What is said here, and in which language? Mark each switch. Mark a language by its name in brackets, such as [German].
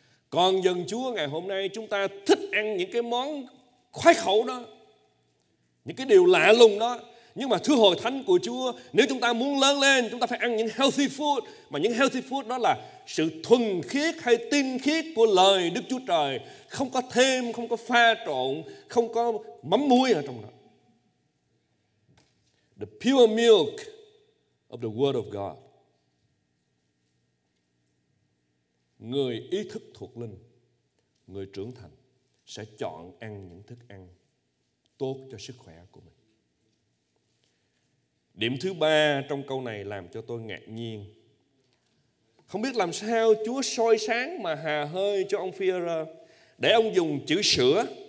[Vietnamese] Còn dân Chúa ngày hôm nay, chúng ta thích ăn những cái món khoái khẩu đó, những cái điều lạ lùng đó. Nhưng mà thưa hội thánh của Chúa, nếu chúng ta muốn lớn lên, chúng ta phải ăn những [English] healthy food. [Vietnamese] Mà những [English] healthy food [Vietnamese] đó là sự thuần khiết hay tinh khiết của lời Đức Chúa Trời. Không có thêm, không có pha trộn, không có mắm muối ở trong đó. [English] The pure milk of the Word of God. [Vietnamese] Người ý thức thuộc linh, người trưởng thành sẽ chọn ăn những thức ăn tốt cho sức khỏe của mình. Điểm thứ ba trong câu này làm cho tôi ngạc nhiên. Không biết làm sao Chúa soi sáng mà hà hơi cho ông Phi-e-rơ để ông dùng chữ sữa.